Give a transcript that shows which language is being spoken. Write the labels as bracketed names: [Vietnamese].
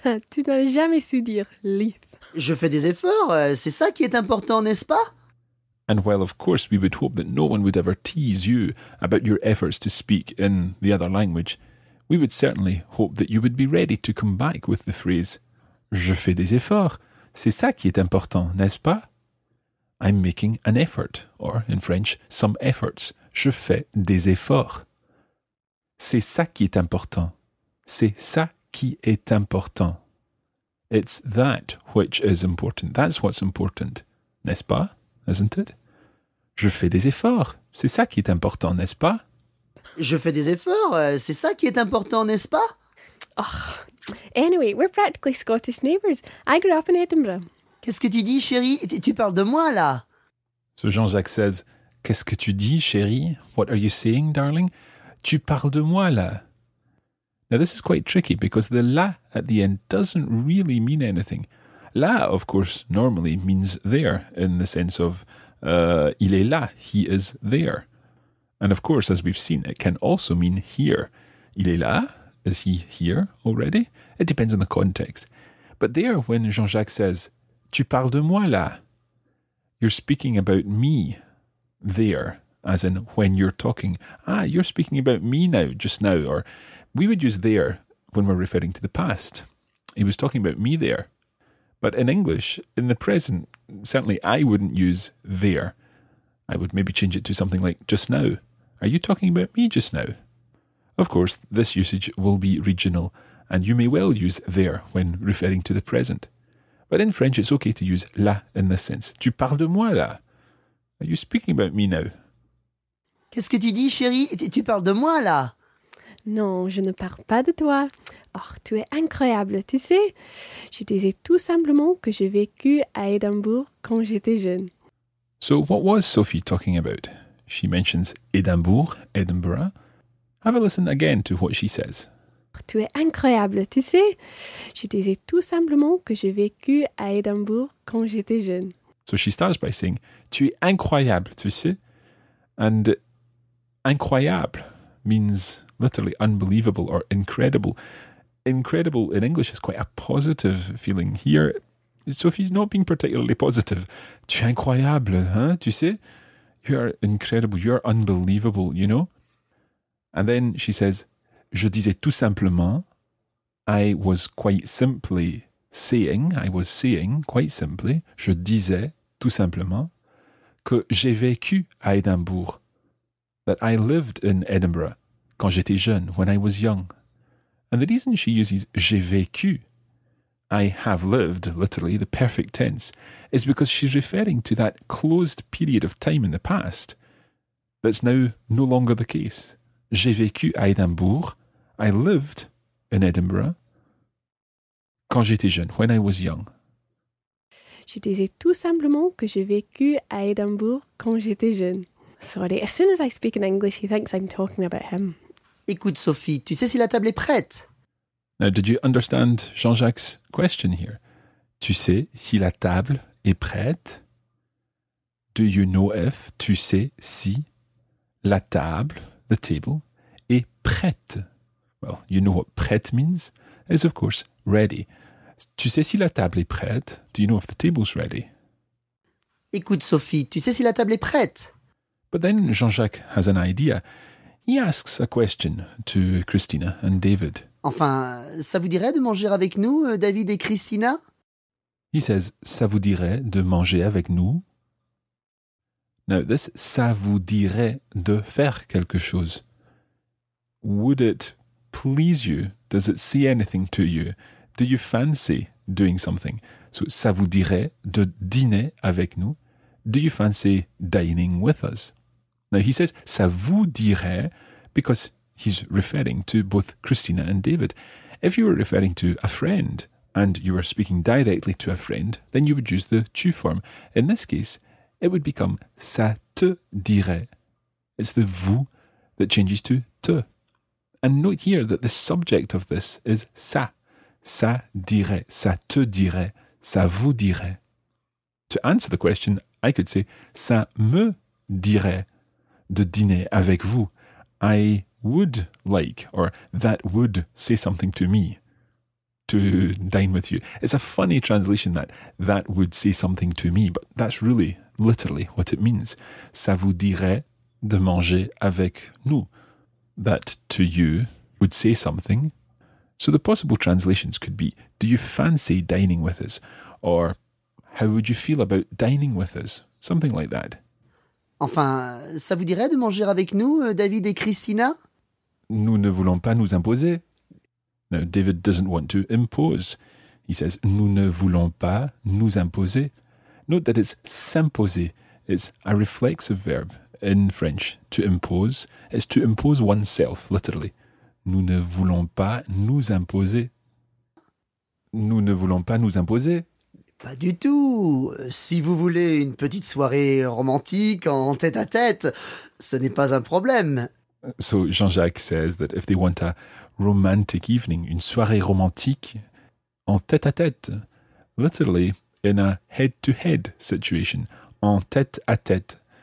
[French] Tu n'as jamais su dire Leith. Je fais des efforts, c'est ça qui est important, n'est-ce pas? [English] And while of course we would hope that no one would ever tease you about your efforts to speak in the other language, we would certainly hope that you would be ready to come back with the phrase [French] Je fais des efforts, c'est ça qui est important, n'est-ce pas? [English] I'm making an effort, or in French, some efforts. [French] Je fais des efforts. C'est ça qui est important. C'est ça qui est important. [English] It's that which is important. That's what's important, [French] n'est-ce pas? [English] Isn't it? [French] Je fais des efforts. C'est ça qui est important, n'est-ce pas? Je fais des efforts. C'est ça qui est important, n'est-ce pas? Oh. [English] Anyway, we're practically Scottish neighbours. I grew up in Edinburgh. [French] Qu'est-ce que tu dis, chérie? Tu parles de moi, là? [English] So Jean-Jacques says, [French] qu'est-ce que tu dis, chérie? [English] What are you saying, darling? [French] Tu parles de moi, là? [English] Now, this is quite tricky because the là at the end doesn't really mean anything. Là, of course, normally means there in the sense of [French] il est là, [English] he is there. And of course, as we've seen, it can also mean here. [French] Il est là? [English] Is he here already? It depends on the context. But there, when Jean-Jacques says, [French] tu parles de moi, là. [English] You're speaking about me there, as in when you're talking. Ah, you're speaking about me now, just now. Or we would use there when we're referring to the past. He was talking about me there. But in English, in the present, certainly I wouldn't use there. I would maybe change it to something like just now. Are you talking about me just now? Of course, this usage will be regional, and you may well use there when referring to the present. But in French, it's okay to use là in this sense. [French] Tu parles de moi, là? [English] Are you speaking about me now? [French] Qu'est-ce que tu dis, chérie? Tu parles de moi, là? Non, je ne parle pas de toi. Oh, tu es incroyable, tu sais. Je disais tout simplement que j'ai vécu à Édimbourg quand j'étais jeune. [English] So, what was Sophie talking about? She mentions Édimbourg, Edinburgh. Have a listen again to what she says. [French] Tu es incroyable, tu sais. Je disais tout simplement que j'ai vécu à Édimbourg quand j'étais jeune. [English] So she starts by saying, [French] tu es incroyable, tu sais. [English] And incroyable means literally unbelievable or incredible. Incredible in English is quite a positive feeling. Here, Sophie's not being particularly positive. [French] Tu es incroyable, hein? Tu sais? [English] You are incredible. You are unbelievable, you know? And then she says, [French] je disais tout simplement, [English] I was quite simply saying, I was saying quite simply, je disais tout simplement, [French] que j'ai vécu à Édimbourg, [English] that I lived in Edinburgh [French] quand j'étais jeune, [English] when I was young. And the reason she uses [French] j'ai vécu, [English] I have lived, literally, the perfect tense, is because she's referring to that closed period of time in the past that's now no longer the case. [French] J'ai vécu à Édimbourg, [English] I lived in Edinburgh, [French] quand j'étais jeune, [English] when I was young. [French] Je disais tout simplement que j'ai vécu à Édimbourg quand j'étais jeune. [English] Sorry, as soon as I speak in English, he thinks I'm talking about him. [French] Écoute, Sophie, tu sais si la table est prête? [English] Now, did you understand Jean-Jacques' question here? [French] Tu sais si la table est prête? [English] Do you know if, [French] tu sais si, la table, [English] the table, [French] est prête? [English] Well, you know what prête means? It's, of course, ready. [French] Tu sais si la table est prête? [English] Do you know if the table's ready? [French] Écoute, Sophie, tu sais si la table est prête? [English] But then Jean-Jacques has an idea. He asks a question to Christina and David. [French] Enfin, ça vous dirait de manger avec nous, David et Christina? [English] He says, [French] ça vous dirait de manger avec nous? [English] Now, this, [French] ça vous dirait de faire quelque chose. [English] Would it please you? Does it say anything to you? Do you fancy doing something? [French] So, ça vous dirait de dîner avec nous? [English] Do you fancy dining with us? Now, he says, [French] ça vous dirait, [English] because he's referring to both Christina and David. If you were referring to a friend, and you were speaking directly to a friend, then you would use the tu form. In this case, it would become [French] ça te dirait. [English] It's the vous that changes to te. And note here that the subject of this is ça. [French] Ça dirait, ça te dirait, ça vous dirait. [English] To answer the question, I could say [French] ça me dirait de dîner avec vous. [English] I would like, or that would say something to me, to dine with you. It's a funny translation, that would say something to me, but that's really, literally, what it means. [French] Ça vous dirait de manger avec nous. [English] That, to you, would say something. So the possible translations could be, do you fancy dining with us? Or, how would you feel about dining with us? Something like that. [French] Enfin, ça vous dirait de manger avec nous, David et Christina? Nous ne voulons pas nous imposer. [English] Now, David doesn't want to impose. He says, [French] nous ne voulons pas nous imposer. [English] Note that it's s'imposer. It's a reflexive verb in French, to impose. It's to impose oneself, literally. [French] Nous ne voulons pas nous imposer. Nous ne voulons pas nous imposer. Pas du tout. Si vous voulez une petite soirée romantique en tête-à-tête, ce n'est pas un problème. [English] So Jean-Jacques says that if they want a romantic evening, [French] une soirée romantique en tête-à-tête, [English] literally in a head-to-head situation, en tête-à-tête.